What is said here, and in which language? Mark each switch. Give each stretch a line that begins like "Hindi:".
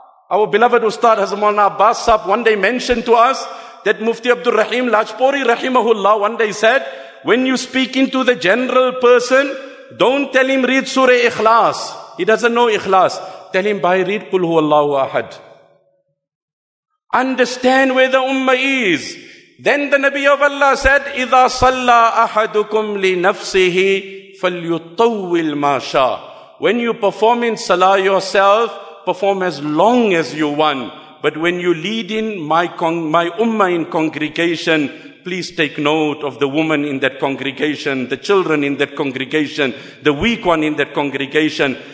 English: Our beloved Ustad Hazrat Maulana Abbas Sahab one day mentioned to us that Mufti Abdul Rahim Lajpuri Rahimahullah one day said, when you speak into the general person, don't tell him read Surah Ikhlas. He doesn't know Ikhlas. Tell him, by read Qul Huwallahu Ahad. Understand where the Ummah is. Then the Nabi of Allah said,
Arabic: إِذَا صَلَّى أَحَدُكُمْ لِنَفْسِهِ فَلْيُطَوِّلْ مَا شَاءَ.
English: When you perform in Salah yourself, perform as long as you want. But when you lead in my Ummah in congregation, please take note of the woman in that congregation, the children in that congregation, the weak one in that congregation.